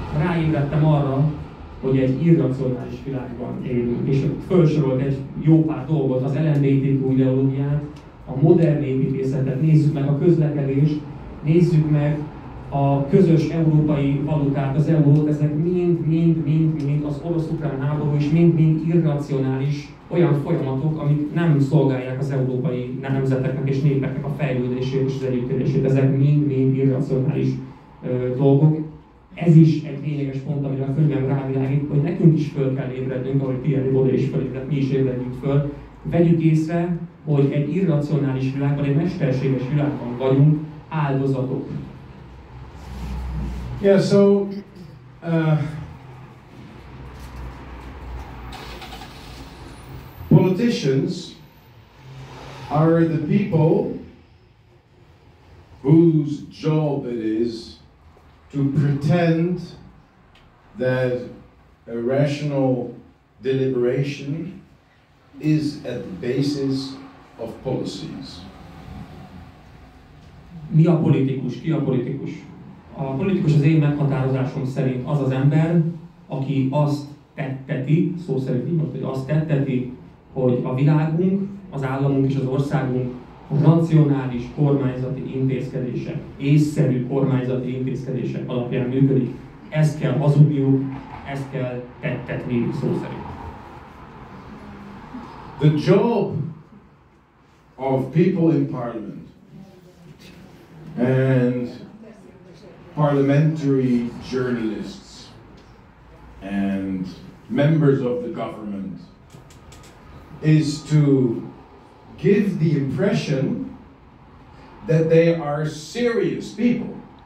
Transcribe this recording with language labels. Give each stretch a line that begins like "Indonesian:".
Hungarian: Ráébredtem arra, hogy egy irracionális világban élünk, és felsorolt egy jó pár dolgot, az LMBTQ ideológiát, a modern építészetet, nézzük meg a közlekedést, nézzük meg a közös európai valutát, az eurót, ezek mind az orosz-ukrán háború is mind irracionális olyan folyamatok, amik nem szolgálják az európai nemzeteknek és népeknek a fejlődését és az együttélését, ezek mind irracionális dolgok. Ez is egy lényeges pont, amire a könyvem rávilágít, hogy nekünk is föl kell ébrednünk, ahogy Pierre Baudet is fölébredt, mi is ébredjük föl. Vegyük észre, hogy egy irracionális világban, egy mesterséges világban vagyunk, áldozatok.
English: Yeah, so politicians are the people whose job it is to pretend that a rational deliberation is at the basis of policies.
Hungarian: Mi a politikus? Ki a politikus? A politikus az én meghatározásom szerint az az ember, aki azt tetteti, szó szerint így, hogy azt tetteti, hogy a világunk, az államunk és az országunk racionális kormányzati intézkedések, észszerű kormányzati intézkedések alapján működik. Ezt kell hazudniuk, ezt kell tettetni, szó szerint.
English: The job of people in parliament and parliamentary journalists and members of the government is to give the impression that they are serious people.